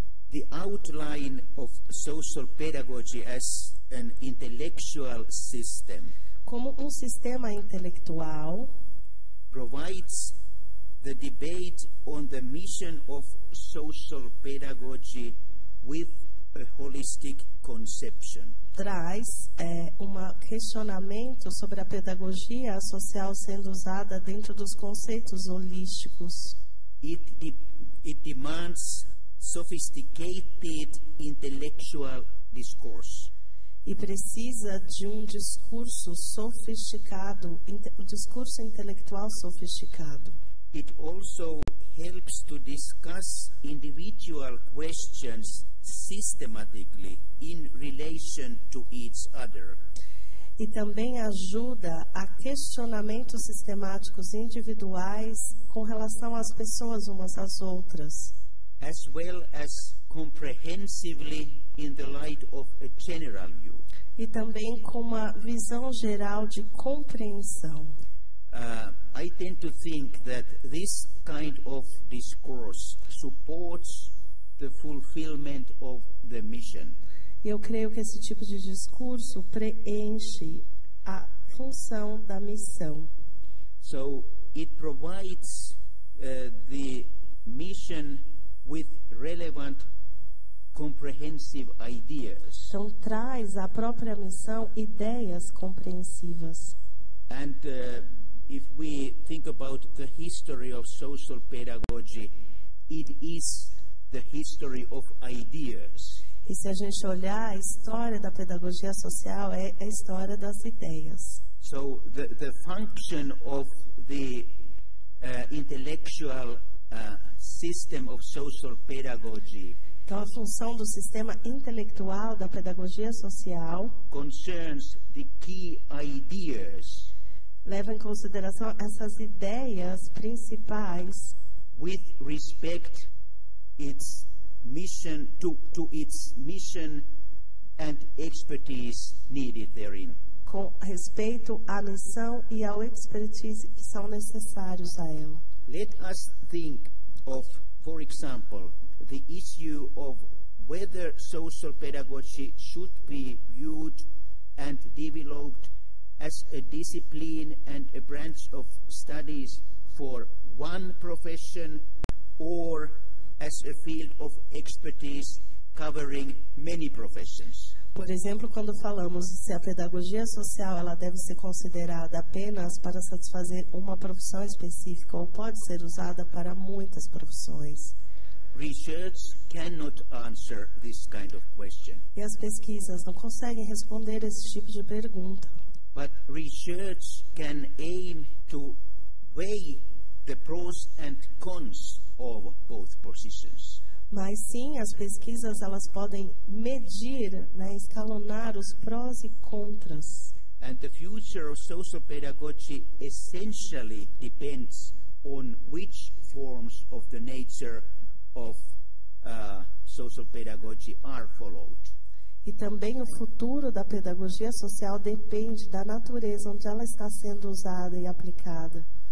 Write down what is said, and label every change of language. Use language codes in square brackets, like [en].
[en] The outline of social pedagogy as an intellectual system. [pt] Como um sistema intelectual. [en] Provides the debate on the mission of social pedagogy with a holistic conception. [pt] Traz um questionamento sobre a pedagogia social sendo usada dentro dos conceitos holísticos. [en] It demands sophisticated intellectual discourse. [pt] E precisa de um discurso sofisticado, um discurso intelectual sofisticado. [en] It also helps to discuss individual questions systematically in relation to each other. [pt] E também ajuda a questionamentos sistemáticos individuais com relação às pessoas umas às outras. [en] As well as comprehensively in the light of a general view. [pt] E também com uma visão geral de compreensão. [en] I tend to think that this kind of discourse supports the fulfillment of the mission. [pt] Eu creio que esse tipo de discurso preenche a função da missão. [en] So it provides the mission with relevant comprehensive ideas. [pt] Então traz a própria missão ideias compreensivas. [en] And if we think about the history of social pedagogy, it is the history of ideas. [pt] E se a gente olhar a história da pedagogia social, é a história das ideias. [en] So the function of the intellectual system of social pedagogy. [pt] Então a função do sistema intelectual da pedagogia social [en] concerns the key ideas. [pt] Leva em consideração essas ideias principais [en] with respect its mission to its mission and expertise needed therein. [pt] Com respeito à missão e ao expertise que são necessários a ela. [en] Let us think of, for example, the issue of whether social pedagogy should be viewed and developed as a discipline and a branch of studies for one profession or as a field of expertise covering many professions. [pt] Por exemplo, quando falamos se a pedagogia social ela deve ser considerada apenas para satisfazer uma profissão específica ou pode ser usada para muitas profissões. [en] Research cannot answer this kind of question. [pt] E as pesquisas não conseguem responder esse tipo de pergunta. [en] But research can aim to weigh the pros and cons of both positions. [pt] Mas sim, as pesquisas elas podem medir, né, escalonar os prós e contras. [en] And the future of social pedagogy essentially depends on which forms of the nature of social pedagogy are followed. [pt] E também o futuro da pedagogia social depende da natureza onde ela está sendo usada e aplicada.